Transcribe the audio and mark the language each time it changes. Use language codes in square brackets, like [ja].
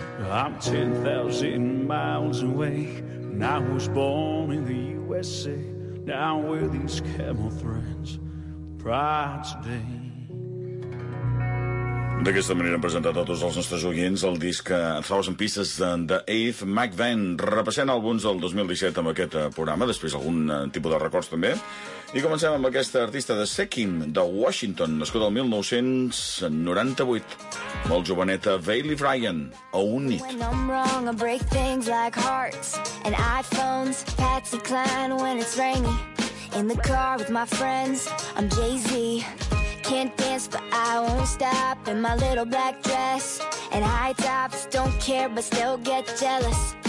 [en] I'm 10,000 miles away, and I was born in the USA. Now I wear these camel threads pride today. [ca] D'aquesta manera hem presentat a tots els nostres oients el disc Thousand Pieces de Eve McVen, repassant àlbums del 2017 amb aquest programa, després algun tipus de records també. I comencem amb aquesta artista de Sekim, de Washington, nascut el 1998. Molt joveneta, Bailey Bryan, a un nit. [en] When I'm wrong, I break things like hearts and iPhones, Patsy Cline when it's rainy. In the car with my friends, I'm Jay-Z. Can't dance, but I won't stop. In my little black dress and high tops. Don't care, but still get jealous.